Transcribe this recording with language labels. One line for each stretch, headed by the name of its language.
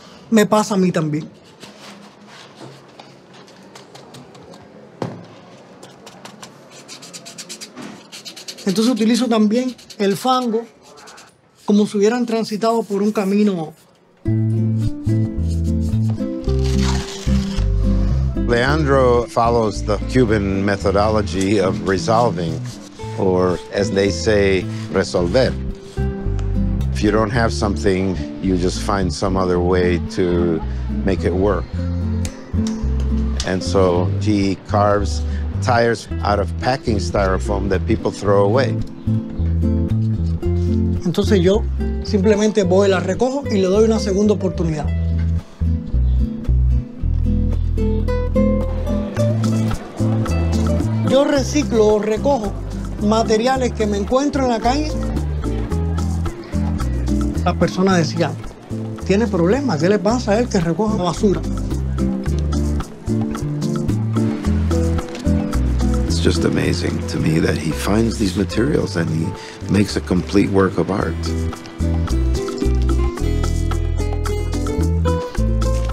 Spanish: Me pasa a mí también. Entonces utilizo también el fango como si hubieran transitado por un camino.
English: Leandro follows the Cuban methodology of resolving, or as they say, resolver. If you don't have something, you just find some other way to make it work. And so he carves tires out of packing styrofoam that people throw away.
Spanish: Entonces yo simplemente voy, la recojo y le doy una segunda oportunidad. Yo reciclo o recojo materiales que me encuentro en la calle. La persona decía, tiene problemas, ¿qué le pasa a él que recoja basura?
English: It's just amazing to me that he finds these materials and he makes a complete work of art.